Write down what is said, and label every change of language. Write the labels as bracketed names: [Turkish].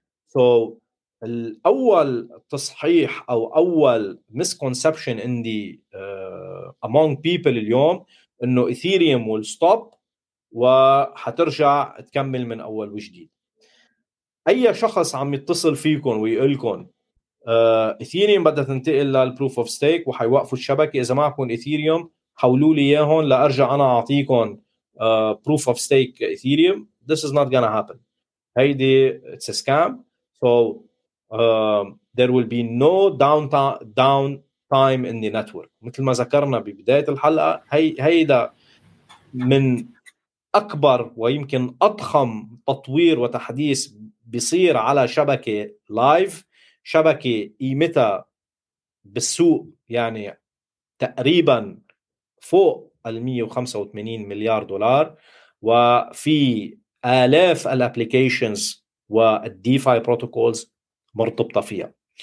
[Arabic] So الأول تصحيح أو أول misconception in the among people اليوم إنه Ethereum will stop وحترجع تكمل من أول وجديد. أي شخص عم يتصل فيكم ويقولكم إثيريوم بدها تنتقل للبروف أوف ستيك وحيوقفوا الشبكة. إذا معكم إثيريوم حولوا لي إياهم لأرجع أنا أعطيكم بروف أوف ستيك إثيريوم. [English] This is not gonna happen. هيدي it's a scam. So there will be no downtime in the network. [Arabic] مثل ما ذكرنا ببداية الحلقة, هيدا من أكبر ويمكن أضخم تطوير وتحديث بيصير على شبكة لايف, شبكة قيمتها بالسوق يعني تقريبا فوق 185 مليار دولار, وفي آلاف الابليكيشنز والديفاي بروتوكولز مرتبطة فيها.